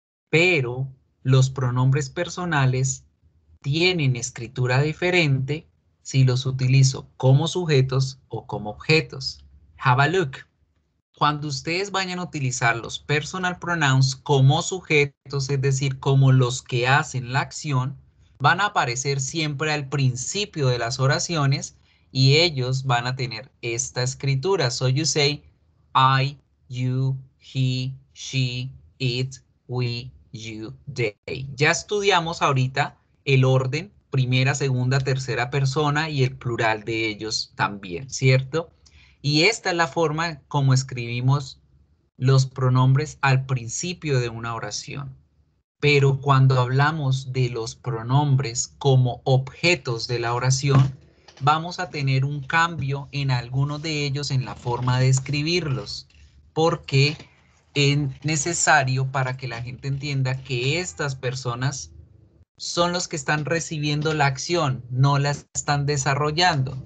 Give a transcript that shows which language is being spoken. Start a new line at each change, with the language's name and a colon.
Spanish: Pero los pronombres personales tienen escritura diferente si los utilizo como sujetos o como objetos.
English: Have a look.
Spanish: Cuando ustedes vayan a utilizar los personal pronouns como sujetos, es decir, como los que hacen la acción, van a aparecer siempre al principio de las oraciones y ellos van a tener esta escritura.
English: So you say, I, you, he, she, it, we, you, they.
Spanish: Ya estudiamos ahorita el orden, primera, segunda, tercera persona y el plural de ellos también, ¿cierto? Y esta es la forma como escribimos los pronombres al principio de una oración. Pero cuando hablamos de los pronombres como objetos de la oración, vamos a tener un cambio en alguno de ellos en la forma de escribirlos, porque es necesario para que la gente entienda que estas personas son los que están recibiendo la acción, no la están desarrollando.